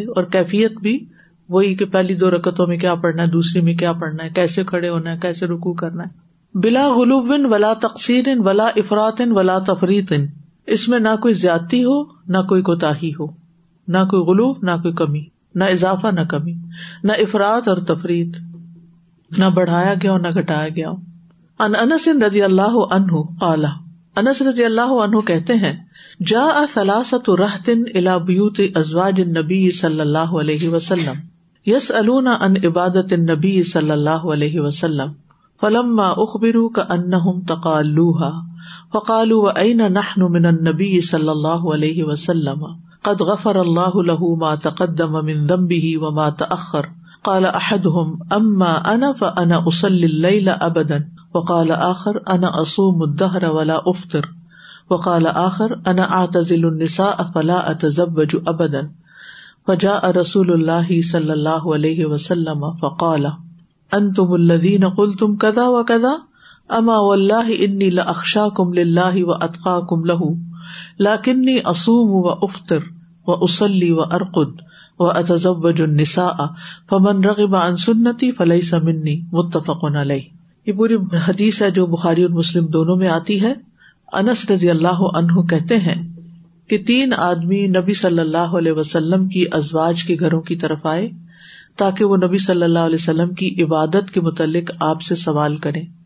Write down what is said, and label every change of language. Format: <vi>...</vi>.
<ur>اور کیفیت بھی وہی کہ پہلی دو رکعتوں میں کیا پڑھنا ہے، دوسری میں کیا پڑھنا ہے، کیسے کھڑے ہونا ہے، کیسے رکوع کرنا ہے.</ur> <ar>بلا غلو ولا تقصیر ولا افراط ولا تفریط،</ar> <ur>اس میں نہ کوئی زیادتی ہو نہ کوئی کوتاہی ہو، نہ کوئی غلو نہ کوئی کمی، نہ اضافہ نہ کمی، نہ افراط اور تفریط، نہ بڑھایا گیا نہ گھٹایا گیا.</ur> <ar>عن انس رضی اللہ عنہ قال،</ar> <ur>انس رضی اللہ عنہ کہتے ہیں،</ur> <ar>جاء ثلاثة رهط الى بيوت ازواج النبي صلی اللہ علیہ وسلم يسألون عن عبادة النبي صلی اللہ علیہ وسلم فلما اخبروا كأنهم تقالوها فقالوا وأين نحن من النبي صلی اللہ علیہ وسلم قد غفر الله له ما تقدم من ذنبه وما تأخر قال احدهم اما انا فانا اصلي الليل ابدا وقال آخر انا اصوم الدهر ولا افطر وقال آخر انا اعتزل النساء فلا اتزوج ابدا فجاء رسول الله صلى الله عليه وسلم فقال انتم الذين قلتم كذا وكذا اما والله اني لاخشاكم لله واتقاكم له لكني اصوم وافطر واصلي وارقد واتزوج النساء فمن رغب عن سنتي فليس مني متفق عليه.</ar> <ur>یہ پوری حدیث ہے جو بخاری اور مسلم دونوں میں آتی ہے. انس رضی اللہ عنہ کہتے ہیں کہ تین آدمی نبی صلی اللہ علیہ وسلم کی ازواج کے گھروں کی طرف آئے تاکہ وہ نبی صلی اللہ علیہ وسلم کی عبادت کے متعلق آپ سے سوال کریں.</ur>